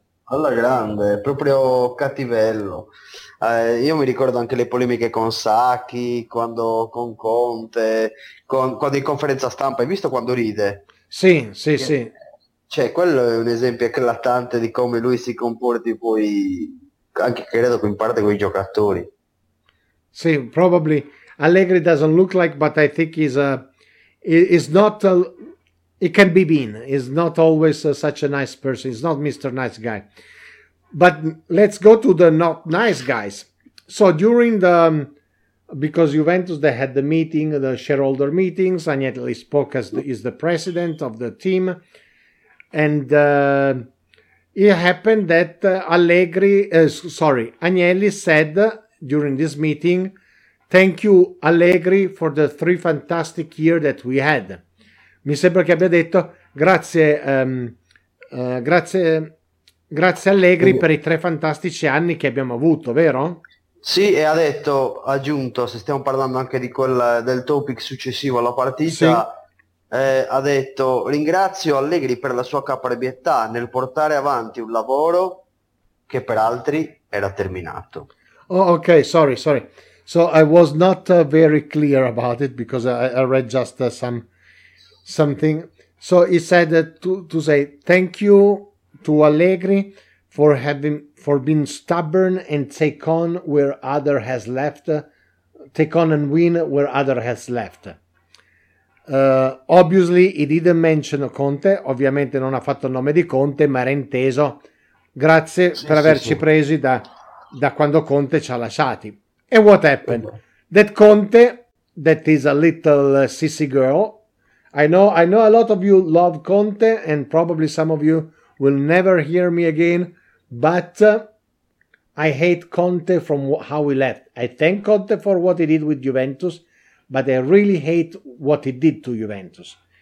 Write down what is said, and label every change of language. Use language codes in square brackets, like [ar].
[it] Alla grande, proprio cattivello. Io mi ricordo anche le polemiche con Sacchi, quando con Conte, quando in conferenza stampa, hai visto quando ride? Sì. Cioè, quello è un esempio eclatante di come lui si comporti poi, anche credo in parte con i giocatori. [en] Sì, probably Allegri doesn't look like, but I think he's not always such a nice person. He's not Mr. Nice Guy. But let's go to the not nice guys. So during the, because Juventus, they had the meeting, the shareholder meetings, Agnelli spoke is the president of the team, and it happened that Agnelli said during this meeting, thank you Allegri for the 3 fantastic year that we had. [it] Mi sembra che abbia detto grazie Allegri per i 3 fantastici anni che abbiamo avuto, vero? Sì, e ha detto, aggiunto, se stiamo parlando anche di quel, del topic successivo alla partita, sì, ha detto, ringrazio Allegri per la sua caparbietà nel portare avanti un lavoro che per altri era terminato. [en] Oh, ok, sorry. So I was not very clear about it because I read just something. So he said to say thank you to Allegri for being stubborn and take on and win where other has left. Obviously he didn't mention Conte, [it] ovviamente non ha fatto il nome di Conte, ma era inteso grazie per averci presi da quando Conte ci ha lasciati. [en] And what happened? That Conte, that is a little sissy girl. I know a lot of you love Conte, and probably some of you will never hear me again, but I hate Conte from how he left. I thank Conte for what he did with Juventus, but I really hate what he did to Juventus.